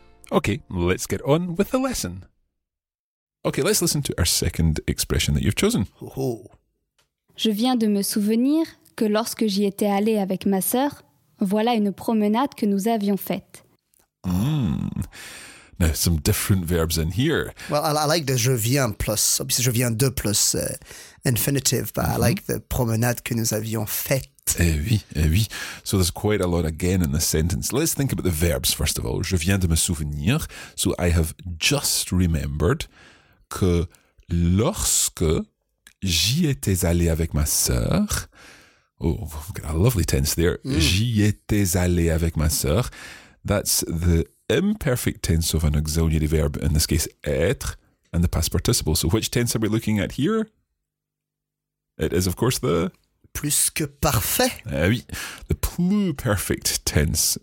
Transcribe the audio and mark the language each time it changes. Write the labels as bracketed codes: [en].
[en] Okay, let's get on with the lesson. Okay, let's listen to our second expression that you've chosen. Oh. [fr] Je viens de me souvenir que lorsque j'y étais allée avec ma sœur, voilà une promenade que nous avions faite. [en] Mm. Now, some different verbs in here. Well, I like the [fr] je viens [en] plus, obviously [fr] je viens de [en] plus infinitive, but mm-hmm. I like the [fr] promenade que nous avions faite. Eh oui. [en] So there's quite a lot again in the sentence. Let's think about the verbs first of all. [fr] Je viens de me souvenir. [en] So I have just remembered [fr] que lorsque j'y étais allé avec ma sœur. [en] Oh, we've got a lovely tense there. Mm. [fr] J'y étais allé avec ma sœur. [en] That's the imperfect tense of an auxiliary verb, in this case, être, and the past participle. So which tense are we looking at here? It is, of course, the... [fr] Plus que parfait. Oui, [en] the pluperfect tense.